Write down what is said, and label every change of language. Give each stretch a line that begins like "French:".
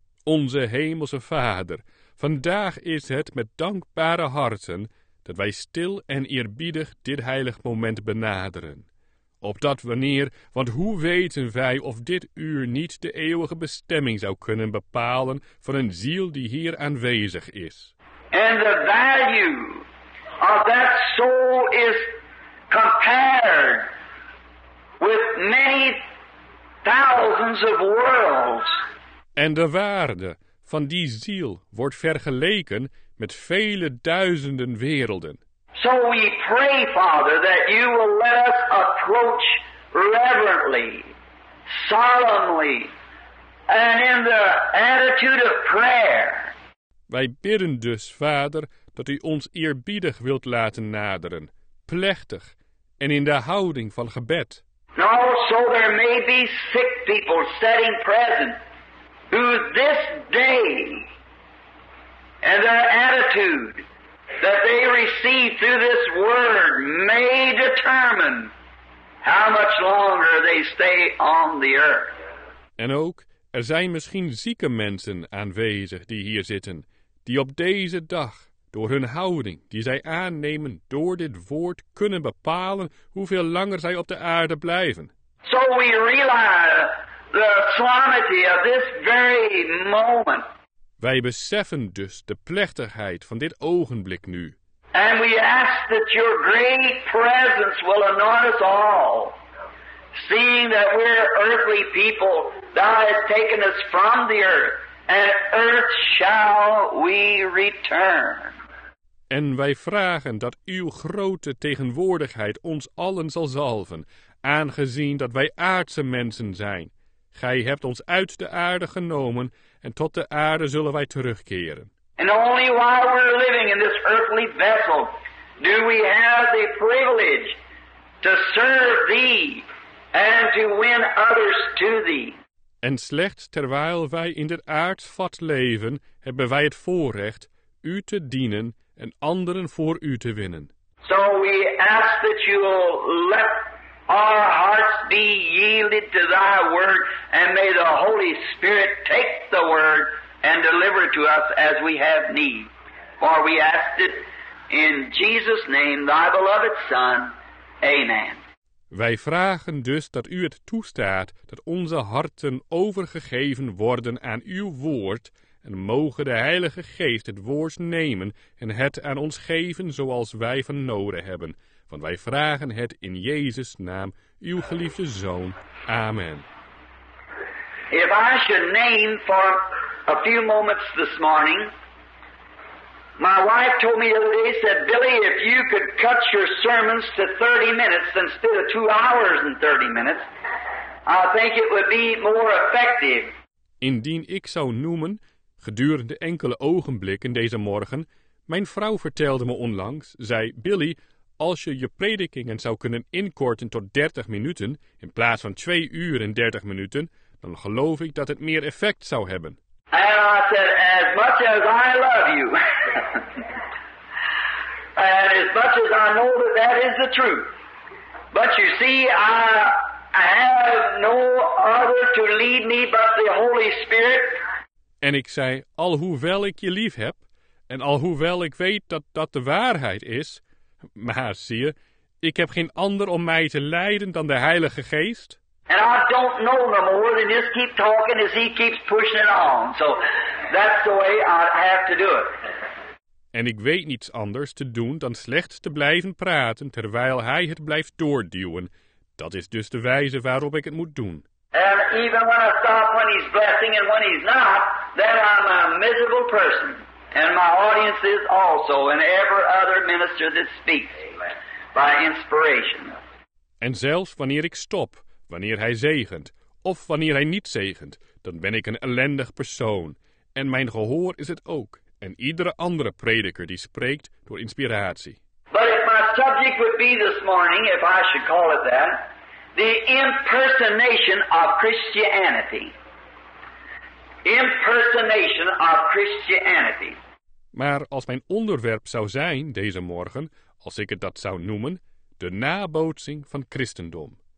Dutch: Onze hemelse Vader, vandaag is het met dankbare harten dat wij stil en eerbiedig dit heilig moment benaderen. Opdat wanneer, want hoe weten wij of dit uur niet de eeuwige bestemming zou kunnen bepalen van een ziel die hier aanwezig is.
English: And the value of that soul is compared with many thousands of worlds.
Dutch: En de waarde van die ziel wordt vergeleken met vele duizenden werelden.
English: So we pray, Father, that you will let us approach reverently, solemnly, and in the attitude of prayer.
Dutch: Wij bidden dus, Vader, dat u ons eerbiedig wilt laten naderen, plechtig en in de houding van gebed.
English: No, so there may be sick people sitting present who this day and their attitude that they receive through this word may determine how much longer they stay on the earth.
Dutch: En ook, er zijn misschien zieke mensen aanwezig die hier zitten, die op deze dag, door hun houding die zij aannemen door dit woord, kunnen bepalen hoeveel langer zij op de aarde blijven.
English: So we realize the solemnity of this very moment.
Dutch: Wij beseffen dus de plechtigheid van dit ogenblik nu.
English: And we ask that your great presence will anoint us all. Seeing that we're earthly people, thou hast taken us from the earth. And earth shall we return.
Dutch: En wij vragen dat uw grote tegenwoordigheid ons allen zal zalven, aangezien dat wij aardse mensen zijn. Gij hebt ons uit de aarde genomen, en tot de aarde zullen wij terugkeren.
English: And only while we're living in this earthly vessel do we have the privilege to serve thee and to win others to thee.
Dutch: En slechts terwijl wij in dit aardsvat leven, hebben wij het voorrecht u te dienen en anderen voor u te winnen.
English: So we ask that you will let our hearts be yielded to thy word, and may the Holy Spirit take the word and deliver it to us as we have need. For we ask it in Jesus' name, thy beloved Son. Amen.
Dutch: Wij vragen dus dat u het toestaat dat onze harten overgegeven worden aan uw woord, en mogen de Heilige Geest het woord nemen en het aan ons geven zoals wij van nodig hebben. Want wij vragen het in Jezus' naam, uw geliefde Zoon. Amen.
English: If I should name for a few moments this morning, my wife told me the other day, said, Billy, if you could cut your sermons to 30 minutes instead of 2 hours and 30 minutes, I think it would be more effective.
Dutch: Indien ik zou noemen, gedurende enkele ogenblikken deze morgen, mijn vrouw vertelde me onlangs, zei, Billy, als je je predikingen zou kunnen inkorten tot 30 minuten, in plaats van 2 uur en 30 minuten, dan geloof ik dat het meer effect zou hebben.
English: And I said, as much as I love you, and as much as I know that that is the truth, but you see, I have no other to lead me but the Holy Spirit.
Dutch: En ik zei, alhoewel ik je lief heb, en alhoewel ik weet dat dat de waarheid is, maar zie je, ik heb geen ander om mij te leiden dan de Heilige Geest.
English: And I don't know no more than just keep talking as he keeps pushing it on. So that's the way I have to do it.
Dutch: En ik weet niets anders te doen dan slechts te blijven praten terwijl hij het blijft doorduwen. Dat is dus de wijze waarop ik het moet doen.
English: And even when I stop when he's blessing and when he's not, then I'm a miserable person. And my audience is also, and every other minister that speaks, by inspiration.
Dutch: En zelfs wanneer ik stop, wanneer hij zegent, of wanneer hij niet zegent, dan ben ik een ellendig persoon. En mijn gehoor is het ook, en iedere andere prediker die spreekt door inspiratie.
English: But if my subject would be this morning, if I should call it that, the impersonation of Christianity. Impersonation of Christianity.
Dutch: Maar als mijn onderwerp zou zijn deze morgen, als ik het dat zou noemen, de nabootsing van Christendom.